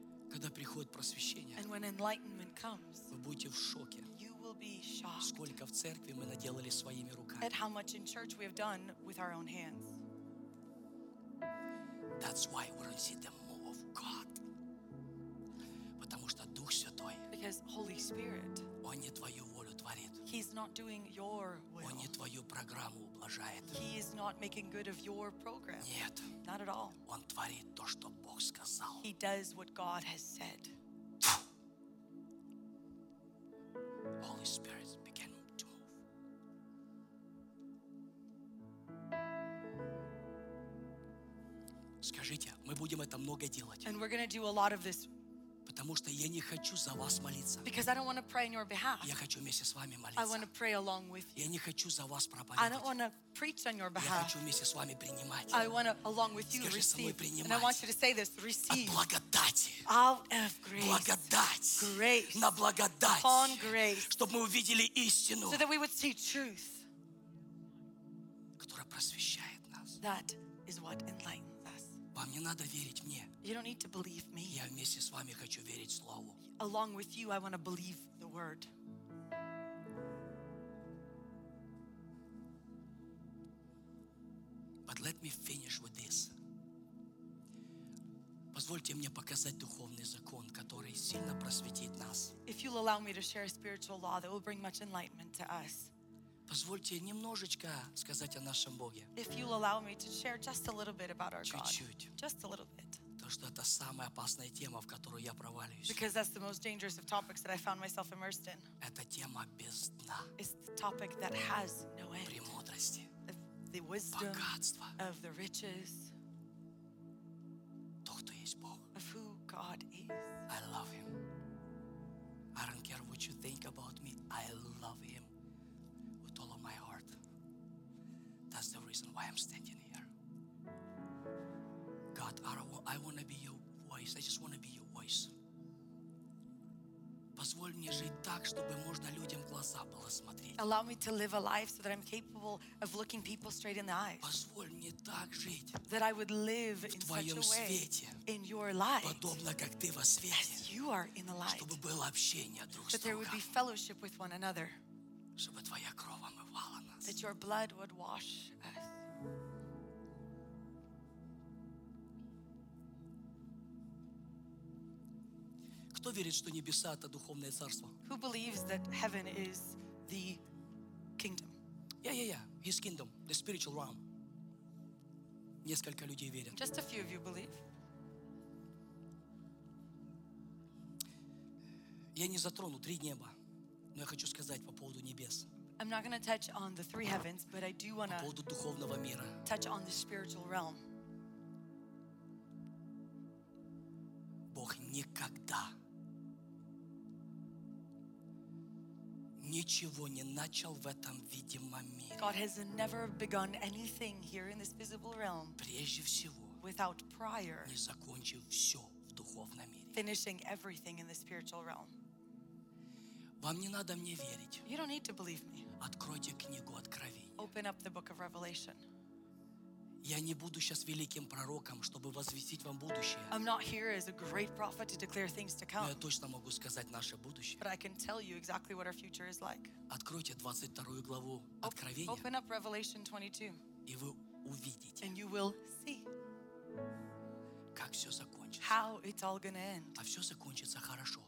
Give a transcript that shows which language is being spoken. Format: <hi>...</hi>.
<ru>Когда приходит просвещение,</ru> <en>and when enlightenment comes,</en> <ru>вы будете в шоке.</ru> <en>You will be shocked.</en> <ru>Сколько в церкви мы наделали своими руками.</ru> <en>At how much in church we have done with our own hands. That's why we don't see the move of God.</en> <ru>Потому что Дух Святой.</ru> <en>Because Holy Spirit.</en> <ru>Он не твою волю творит.</ru> <en>He's not doing your will.</en> <ru>Он не твою программу ублажает.</ru> <en>He is not making good of your program.</en> <ru>Нет.</ru> <en>Not at all.</en> <ru>Он творит то, что Бог сказал.</ru> <en>He does what God has said. Holy Spirit began to move.</en> <ru>Скажите, мы будем это много делать.</ru> <en>And we're going to do a lot of this.</en> <ru>Потому что я не хочу за вас молиться.</ru> <en>Because I don't want to pray on your behalf.</en> <ru>Я хочу вместе с вами молиться.</ru> <en>I want to pray along with you.</en> <ru>Я не хочу за вас проповедовать.</ru> <en>I don't want to preach on your behalf.</en> <ru>Я хочу вместе с вами принимать.</ru> <en>I want to along with you receive. And I want you to say this, receive.</en> <ru>От благодати.</ru> <en>Out of grace.</en> <ru>Благодать.</ru> <en>Grace.</en> <ru>На благодать.</ru> <en>Upon grace.</en> <ru>Чтобы мы увидели истину.</ru> <en>So that we would see truth.</en> <ru>Которая просвещает нас.</ru> <en>That is what enlightens.</en> <ru>Вам не надо верить мне.</ru> <en>You don't need to believe me.</en> <ru>Я вместе с вами хочу верить слову.</ru> <en>Along with you, I want to believe the word. But let me finish with this.</en> <ru>Позвольте мне показать духовный закон, который сильно просветит нас.</ru> <en>If you'll allow me to share a spiritual law that will bring much enlightenment to us.</en> <ru>Позвольте немножечко сказать о нашем Боге.</ru> <en>If you'll allow me to share just a little bit about our</en> <ru>чуть-чуть.</ru> <en>God. Just a little bit.</en> <ru>То, что это самая опасная тема, в которую я проваливаюсь.</ru> <en>Because that's the most dangerous of topics that I found myself immersed in.</en> <ru>Это тема без дна.</ru> <en>It's the topic that has no end.</en> <ru>Премудрости.</ru> <en>The wisdom.</en> <ru>Богатства.</ru> <en>Of the riches.</en> <ru>То, кто есть Бог.</ru> <en>Of who God is. I love Him. I don't care what you think about me. I love Him. All of my heart. That's the reason why I'm standing here. God, I want to be your voice. I just want to be your voice.</en> <ru>Позволь мне жить так, чтобы можно людям глаза было смотреть.</ru> <en>Allow me to live a life so that I'm capable of looking people straight in the eyes.</en> <ru>Позволь мне так жить.</ru> <en>That I would live in such a way. In your light.</en> <ru>Подобно как ты во свете.</ru> <en>As you are in the light.</en> <ru>Чтобы было общение друг с другом.</ru> <en>That there would be fellowship with one another.</en> <ru>Чтобы твоя кровь омывала нас.</ru> <en>That your blood would wash us.</en> <ru>Кто верит, что небеса это духовное царство?</ru> <en>Who believes that heaven is the kingdom? Yeah. His kingdom, the spiritual realm.</en> <ru>Несколько людей верят.</ru> <en>Just a few of you believe.</en> <ru>Я не затрону три неба. Но я хочу сказать по поводу небес.</ru> <en>I'm not going to touch on the three heavens, but I do want</en> <ru>to по поводу духовного мира.</ru> <en>Touch on the spiritual realm.</en> <ru>Бог никогда ничего не начал в этом видимом мире.</ru> <en>God has never begun anything here in this visible realm.</en> <ru>Прежде всего.</ru> <en>Without prior.</en> <ru>Не закончив все в духовном мире.</ru> <en>Finishing everything in the spiritual realm.</en> <ru>Вам не надо мне верить.</ru> <en>You don't need to believe me.</en> <ru>Откройте книгу Откровения.</ru> <en>Open up the book of Revelation.</en> <ru>Я не буду сейчас великим пророком, чтобы возвестить вам будущее.</ru> <en>I'm not here as a great prophet to declare things to come.</en> <ru>Но я точно могу сказать наше будущее.</ru> <en>But I can tell you exactly what our future is like.</en> <ru>Откройте 22 главу Откровения.</ru> <en>Open up Revelation 22.</en> <ru>И вы увидите.</ru> <en>And you will see.</en> <ru>Как все закончится.</ru> <en>How it's all gonna end.</en> <ru>А все закончится хорошо.</ru>